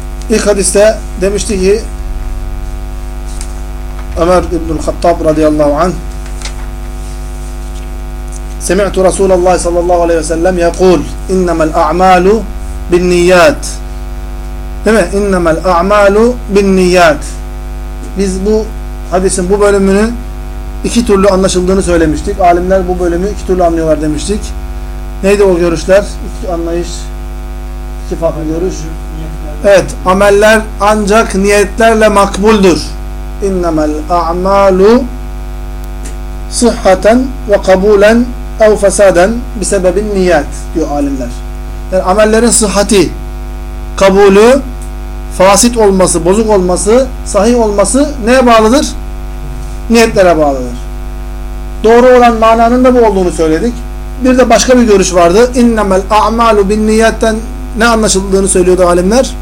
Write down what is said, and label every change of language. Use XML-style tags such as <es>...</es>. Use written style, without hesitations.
<tr>İlk hadiste demişti ki Ömer İbnül Hattab radıyallahu anh,</tr> <ar>سمعت رسول الله صلى الله عليه وسلم يقول إنما الأعمال بالنيات.</ar> <tr>Değil mi?</tr> <ar>إنما الأعمال بالنيات.</ar> <tr>Biz bu hadisin bu bölümünü iki türlü anlaşıldığını söylemiştik. Alimler bu bölümü iki türlü anlıyorlar demiştik. Neydi o görüşler? İki anlayış, iki farklı görüş. Evet, ameller ancak niyetlerle makbuldür.</tr> <ar>إنما الأعمال صحةً وقبولًا اَوْ فَسَادًا بِسَبَبِ</ar> <tr>niyet diyor alimler. Yani amellerin sıhhati, kabulü, fasit olması, bozuk olması, sahih olması neye bağlıdır? Niyetlere bağlıdır. Doğru olan mananın da bu olduğunu söyledik. Bir de başka bir görüş vardı.</tr> <ar>اِنَّمَ الْاَعْمَالُ بِالنِّيَّتْتَنْ</ar> <tr>ne anlaşıldığını söylüyordu alimler.</tr>